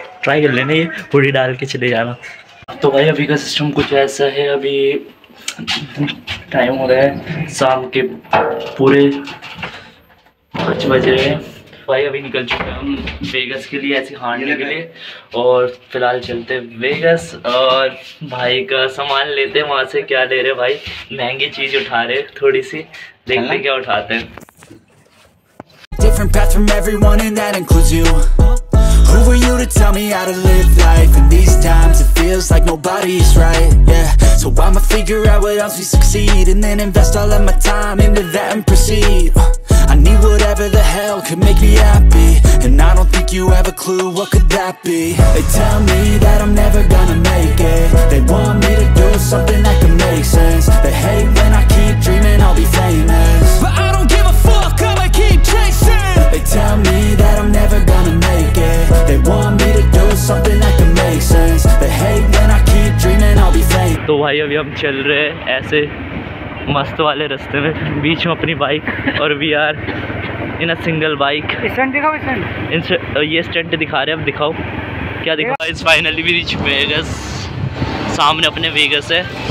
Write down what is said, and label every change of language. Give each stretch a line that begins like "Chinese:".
Hindi: Try कर लेना ये हुडी डाल के चले जाना. तो भाई अभी का सिस्टम कुछ ऐसा है, अभी टाइम हो रहा है शाम के पूरे 5 बज रहे हैं. भाई अभी निकल चुके हैं हम वेगस के लिए, ऐसे हांडने के लिए. और फिलहाल चलते हैं वेगस और भाई का सामान लेते हैं वहाँ से. क्या ले रहे हैं भाई? महंगी चीज़ उठा रहे हैं थोड़ी सी, देखते क्या उठाते हैं.
English: Different path from everyone and that includes you. Who were you to tell me how to live life? In these times it feels like nobody's right. Yeah, so I'ma figure out what else we succeed. And then invest all of my time into that and proceed. I need whatever the hell could make me happy. And I don't think you have a clue what could that be. They tell me that I'm never gonna make it. They want me to do something that can make sense. They hate when I keep dreaming I'll be famous. But I don't give a fuck, I'ma keep chasing. They tell me that I'm never gonna make it. They want me to do something that can make sense. They hate when I keep dreaming I'll be famous.
Hindi: तो भाई अभी हम चल रहे हैं ऐसे मस्त वाले रास्ते में, बीच में अपनी बाइक और
English: We are in a single bike.
Hindi: Stunt दिखाओ, स्टंट ये स्टंट दिखा रहे हैं, अब दिखाओ क्या दिखाओ.
English: guys finally we reach
Hindi: vagus, सामने अपने वेगस है.